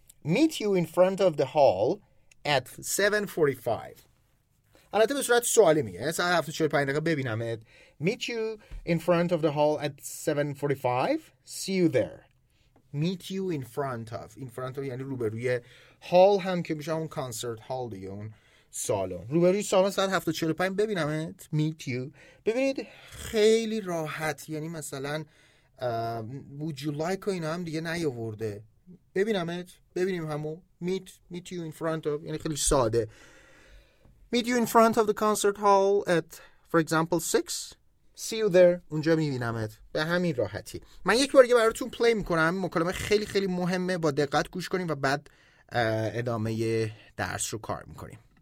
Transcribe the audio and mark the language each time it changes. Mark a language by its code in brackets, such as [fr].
[en] Meet you in front of the hall at 7:45. [fa] البته به صورت سوالی میگه، ساعت 7:45 دقیقه ببینمت. [en] Meet you in front of the hall at 7:45. See you there. Meet you in front of. In front of [fa] یعنی روبروی هال، هم که میشه اون کانسرت هال دیگه، اون سالون. روبروی سالون ساعت 7:45 ببینمت. [en] Meet you. [fa] ببینید خیلی راحت، یعنی مثلا [en] would you like [fa] و اینا هم دیگه نیاورده. ببینمت، ببینیم همو. [en] Meet you in front of [fa] یعنی خیلی ساده. [en] Meet you in front of the concert hall at for example 6. See you there. [fa] اونجا میبینمت. به همین راحتی. من یک بار دیگه براتون پلی میکنم، مکالمه خیلی خیلی مهمه، با دقت گوش کنیم و بعد ادامه درس رو کار میکنیم.